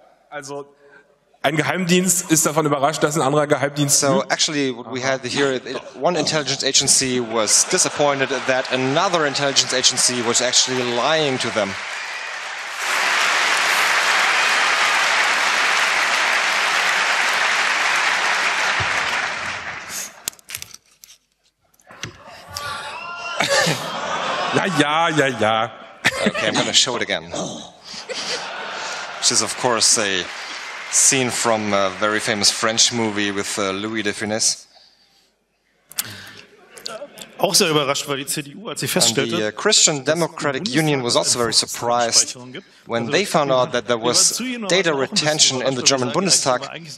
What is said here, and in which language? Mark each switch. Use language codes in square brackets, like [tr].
[de] Also ein Geheimdienst ist davon überrascht, dass ein anderer Geheimdienst. [en] So actually what we had here, one intelligence agency was disappointed that another intelligence agency was actually lying to them. [de] Ja. [en] Okay, I'm going to show it again. Which is, of course, a scene from a very famous French movie with Louis de Funès. [de] Auch sehr überrascht war die CDU, als sie feststellte, [en] the Christian Democratic Union was also very surprised when they found out that there was data retention in the German Bundestag.